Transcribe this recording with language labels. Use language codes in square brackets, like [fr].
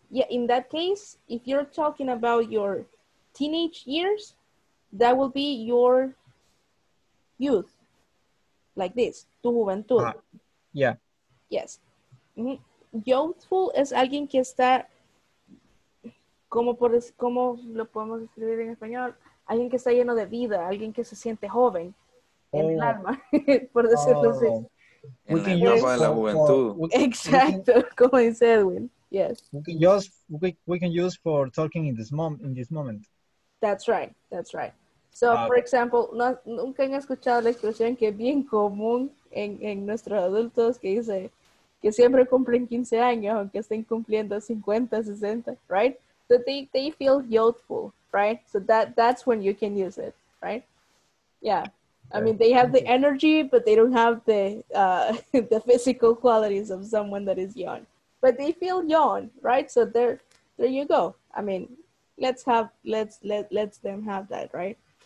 [en] Yeah, in that case, if you're talking about your teenage years, that will be your youth, like this, [es] tu juventud. [en] Yeah. Yes. Mm-hmm. [es] Youthful es alguien que está, ¿cómo lo podemos escribir en español? Alguien que está lleno de vida, alguien que se siente joven, en el alma, por decirlo así. En la etapa de la juventud. Exacto, como dice Edwin. [en] Yes. We can use for talking in this moment. That's right. So, for example, [es] no, nunca han escuchado la expresión que es bien común en nuestros adultos que dice que siempre cumplen 15 años aunque estén cumpliendo 50, 60, right? [en] So they feel youthful, right? So that's when you can use it, right? Yeah. I mean, they have the energy, but they don't have the physical qualities of someone that is young. But they feel young, right? So there you go. I mean, let's them have that, right?